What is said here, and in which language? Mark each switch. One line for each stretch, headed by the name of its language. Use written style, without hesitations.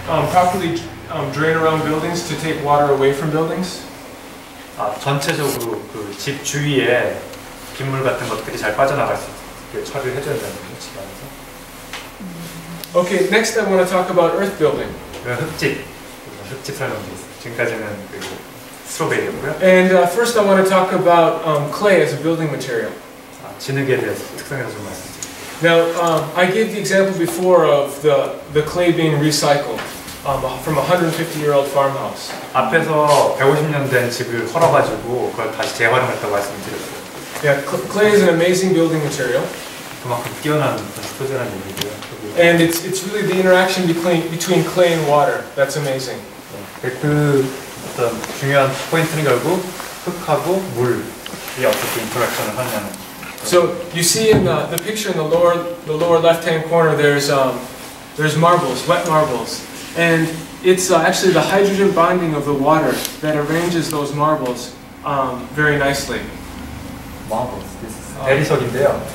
English: Properly drain around buildings to take water away from buildings.
Korean: 아, 전체적으로 그 집 주위에 빗물 같은 것들이 잘 빠져나갈 수 있게 처리를 해줘야 되는 거죠, 집 안에서.
English: Okay, next I want to talk about earth building.
Korean: 흙집 설명드리겠습니다. 지금까지는 그 스트로베일이었고요.
English: And first I want to talk about clay as a building material.
Korean: 아, 진흙에 대해서 특성에 대해서 좀 말씀드릴게요.
English: Now, I gave the example before of the clay being recycled from a 150-year-old farmhouse.
Korean: 앞에서 150년 된 집을 헐어가지고 그걸 다시 재활용했다고 말씀드렸어요.
English: Yeah, clay is an amazing building material.
Korean: 그만큼 뛰어난, 소재라는 얘기고요.
English: And it's really the interaction between clay and water that's amazing.
Korean: 네, 그 어떤 중요한 포인트는 결국 흙하고 물이 어떻게 인터랙션을 하냐는.
English: So you see in the picture in the lower left-hand corner, there's marbles, wet marbles, and it's actually the hydrogen bonding of the water that arranges those marbles very nicely. Marbles, this is
Korean: 대리석인데요.